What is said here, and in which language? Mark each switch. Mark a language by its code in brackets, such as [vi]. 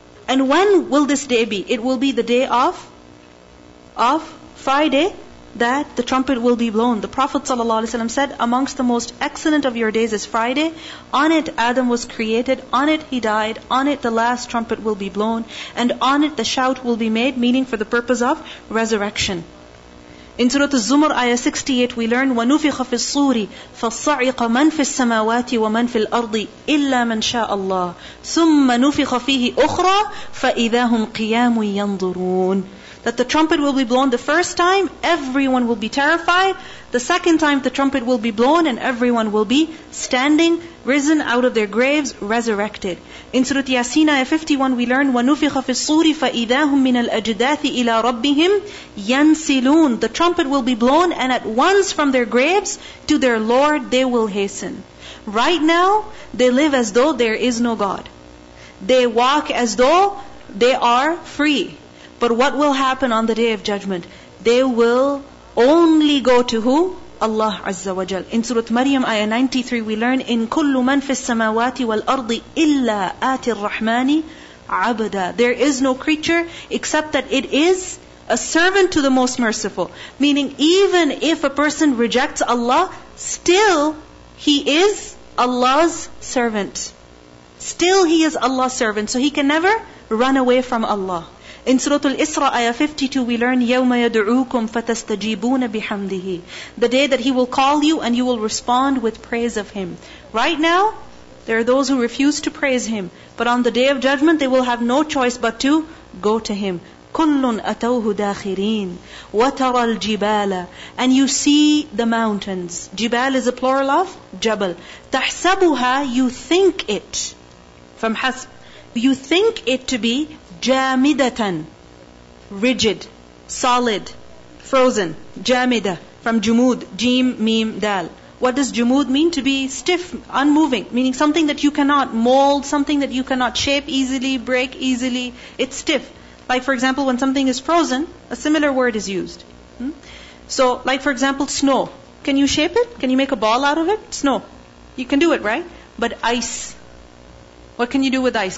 [en] And when will this day be? It will be the day of Friday that the trumpet will be blown. The Prophet ﷺ said, amongst the most excellent of your days is Friday. On it Adam was created, on it he died, on it the last trumpet will be blown, and on it the shout will be made, meaning for the purpose of resurrection. In Surah Az-Zumar, ayah 68, we learn, [ar] وَنُفِخَ فِي الصُّورِ فَصَّعِقَ مَنْ فِي السَّمَاوَاتِ وَمَنْ فِي الْأَرْضِ إِلَّا مَنْ شَاءَ اللَّهِ ثُمَّ نُفِخَ فِيهِ أُخْرَى فَإِذَا هُمْ قِيَامٌ يَنْظُرُونَ. [en] That the trumpet will be blown the first time, everyone will be terrified. The second time the trumpet will be blown and everyone will be standing, risen out of their graves, resurrected. In Surah Yasin, ayah 51, we learn, [ar] وَنُفِخَ فِي الصُّورِ فَإِذَا هُمْ مِنَ الْأَجْدَاثِ إِلَىٰ رَبِّهِمْ يَنْسِلُونَ. [en] The trumpet will be blown and at once from their graves to their Lord they will hasten. Right now, they live as though there is no God. They walk as though they are free. But what will happen on the Day of Judgment? They will only go to who? Allah Azza wa Jal. In Surah Maryam, ayah 93, we learn, [ar] إِن كُلُّ مَن فِي السَّمَاوَاتِ وَالْأَرْضِ إِلَّا آتِ الرَّحْمَانِ عَبْدًا. [en] There is no creature except that it is a servant to the Most Merciful. Meaning, even if a person rejects Allah, still he is Allah's servant. Still he is Allah's servant. So he can never run away from Allah. In Surah Al-Isra, ayah 52, we learn, [ar] يَوْمَ يَدْعُوكُمْ فَتَسْتَجِيبُونَ بِحَمْدِهِ. [en] The day that He will call you and you will respond with praise of Him. Right now, there are those who refuse to praise Him. But on the Day of Judgment, they will have no choice but to go to Him. [ar] كل أتوه داخرين وترى الجبال. [en] And you see the mountains. Jibal is a plural of Jabal. تحسبها, you think it. From حسب, you think it to be جامدة, rigid, solid, frozen. [ar] جامدة from جمود, جيم ميم دال. [en] What does jumud mean? To be stiff, unmoving. Meaning something that you cannot mold, something that you cannot shape easily, break easily. It's stiff. Like for example, when something is frozen, a similar word is used. So like for example, snow. Can you shape it? Can you make a ball out of it? Snow. You can do it, right? But ice. What can you do with ice?